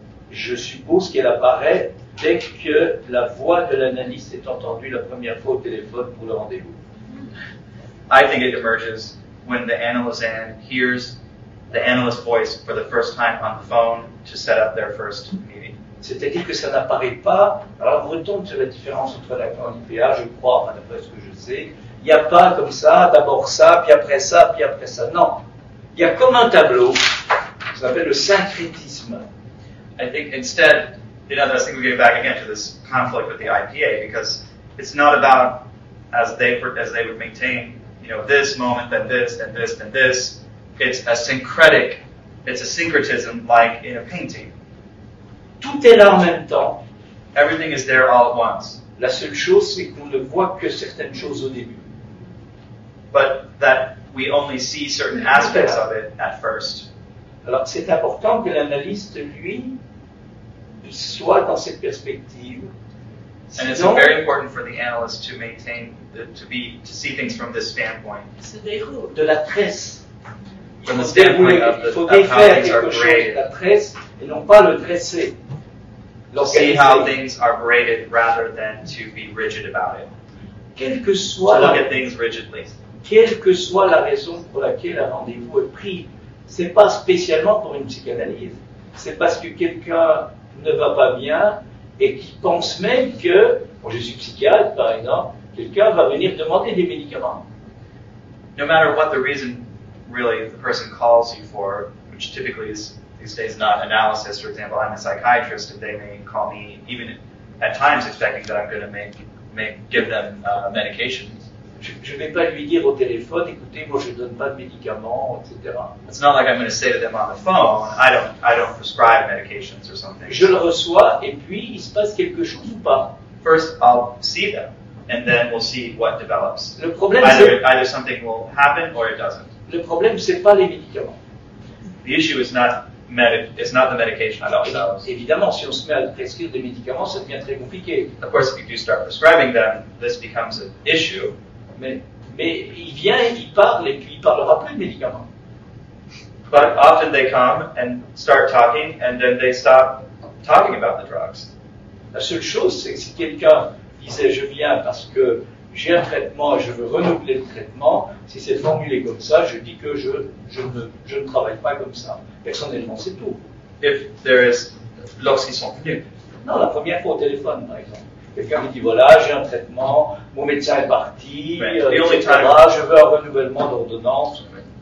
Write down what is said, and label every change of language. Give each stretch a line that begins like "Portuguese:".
French: Je suppose qu'elle apparaît dès que la voix de l'analyste est entendue la première fois au téléphone pour le rendez-vous.
English: I think it emerges when the analyst hears the analyst voice for the first time on the phone to set up their first meeting.
French: C'est-à-dire que ça n'apparaît pas. Alors, on retombe sur la différence entre la et l'IPA, je crois, enfin, d'après ce que je sais. Il n'y a pas comme ça, d'abord ça, puis après ça, puis après ça. Non. Il y a comme un tableau, ça s'appelle le syncrétisme.
English: I think instead, you know, I think we're getting back again to this conflict with the IPA, because it's not about, as they would maintain, you know, this moment, then this, then this, then this. It's a syncretism like in a painting.
French: Tout est là en même temps.
English: Everything is there all at once.
French: La seule chose, c'est qu'on ne voit que certaines choses au début.
English: But that we only see certain aspects of it at first.
French: Alors, c'est important que l'analyste, lui, soit dans cette perspective.
English: And it's very important for the analyst to maintain, to see things from this standpoint.
French: De la tresse.
English: From the standpoint of the how things are braided.
French: La tresse, et non pas le dresser.
English: See how things are braided rather than to be rigid about it.
French: Quel que soit
English: to look at things rigidly.
French: Quelle que soit la raison pour laquelle un rendez-vous est pris, c'est pas spécialement pour une psychanalyse. C'est parce que quelqu'un ne va pas bien et qui pense même que, bon, je suis psychiatre par exemple, quelqu'un va venir demander des médicaments.
English: No matter what the reason really the person calls you for, which typically is these days not analysis, for example, I'm a psychiatrist, and they may call me even at times expecting that I'm going to give them medications.
French: Je ne vais pas lui dire au téléphone, écoutez, moi je ne donne pas de médicaments, etc.
English: It's not like I'm going to say to them on the phone, I don't prescribe medications or something.
French: Je le reçois et puis il se passe quelque chose ou pas.
English: First, I'll see them and then we'll see what develops.
French: Le problème,
English: either something will happen or it doesn't.
French: Le problème, c'est pas les médicaments.
English: The issue is not it's not the medication at all.
French: Évidemment, si on se met à prescrire des médicaments, ça devient très compliqué.
English: Of course, if you do start prescribing them, this becomes an issue.
French: Mais il vient et il parle et puis il parlera plus de médicaments.
English: But often they come and start talking and then they stop talking about the drugs.
French: La seule chose, c'est que si quelqu'un disait je viens parce que j'ai un traitement et je veux renouveler le traitement, si c'est formulé comme ça, je dis que je ne travaille pas comme ça. Personnellement, c'est tout.
English: If there is,
French: lorsqu'ils sont venus. Non, la première fois au téléphone, par exemple. Quelqu'un me dit, voilà, j'ai un traitement, mon médecin est parti, je veux un renouvellement d'ordonnance. Right.